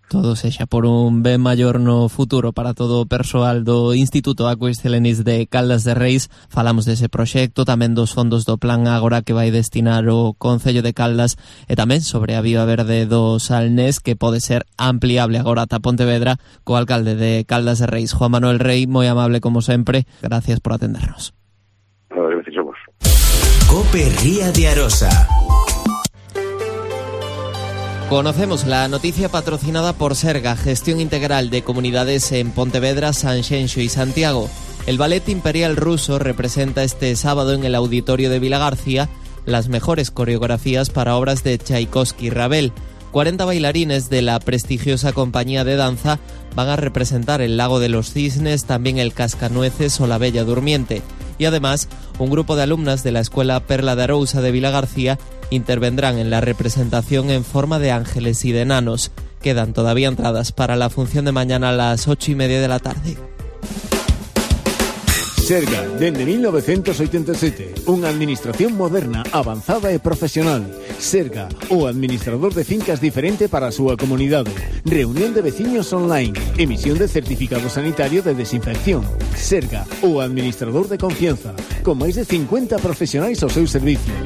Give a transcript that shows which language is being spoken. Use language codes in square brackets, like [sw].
[gl] Todo sexa por un ben maior no futuro para todo o persoal do Instituto Aquis Helenis de Caldas de Reis. Falamos dese proxecto, tamén dos fondos do Plan Ágora que vai destinar o Concello de Caldas e tamén sobre a Viva Verde do Salnés que pode ser ampliable agora ata Pontevedra co alcalde de Caldas de Reis, Juan Manuel Rey, moi amable como sempre. Gracias por atendernos. Gracias a vos. [es] COPE Ría de Arosa. Conocemos la noticia patrocinada por Serga, gestión integral de comunidades en Pontevedra, Sanxenxo y Santiago. El Ballet Imperial Ruso representa este sábado en el Auditorio de Vila García las mejores coreografías para obras de Tchaikovsky y Ravel. 40 bailarines de la prestigiosa compañía de danza van a representar el Lago de los Cisnes, también el Cascanueces o la Bella Durmiente. Y además, un grupo de alumnas de la Escuela Perla de Arousa de Vila García intervendrán en la representación en forma de ángeles y de enanos. Quedan todavía entradas para la función de mañana a las 8:30 de la tarde. [gl] Serga, dende 1987, unha administración moderna, avanzada e profesional. Serga, o administrador de fincas diferente para a súa comunidade. Reunión de veciños online, emisión de certificado sanitario de desinfección. Serga, o administrador de confianza, con máis de 50 profesionais ao seu servicio.